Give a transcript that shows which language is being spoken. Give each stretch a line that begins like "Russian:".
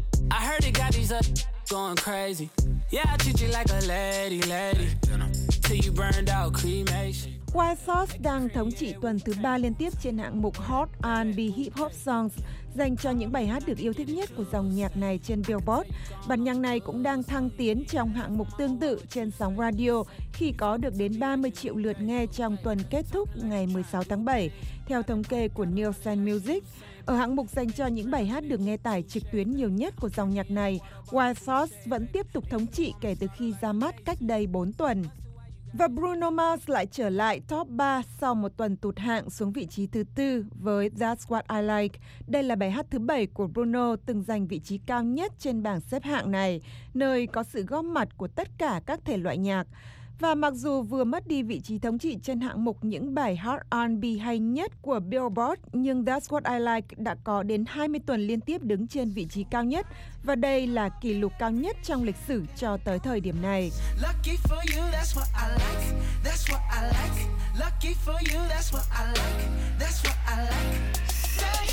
English: I heard it got these going crazy. Yeah, I treat you like a lady, lady. Till you burned out cremation.
Vietnamese: Wild Thoughts đang thống trị tuần thứ 3 liên tiếp trên hạng mục Hot R&B Hip Hop Songs dành cho những bài hát được yêu thích nhất của dòng nhạc này trên Billboard. Bản nhạc này cũng đang thăng tiến trong hạng mục tương tự trên sóng radio khi có được đến 30 triệu lượt nghe trong tuần kết thúc ngày 16 tháng 7, theo thống kê của Nielsen Music. Ở hạng mục dành cho những bài hát được nghe tải trực tuyến nhiều nhất của dòng nhạc này, Wild Thoughts vẫn tiếp tục thống trị kể từ khi ra mắt cách đây 4 tuần. Và Bruno Mars lại trở lại top 3 sau một tuần tụt hạng xuống vị trí thứ 4 với That's What I Like. Đây là bài hát thứ 7 của Bruno từng giành vị trí cao nhất trên bảng xếp hạng này, nơi có sự góp mặt của tất cả các thể loại nhạc. Và mặc dù vừa mất đi vị trí thống trị trên hạng mục những bài hot R&B hay nhất của Billboard, nhưng That's What I Like đã có đến 20 tuần liên tiếp đứng trên vị trí cao nhất. Và đây là kỷ lục cao nhất trong lịch sử cho tới thời điểm này.
English: Lucky for you, that's what I like, that's what I like. Lucky for you, that's what I like, that's what I like.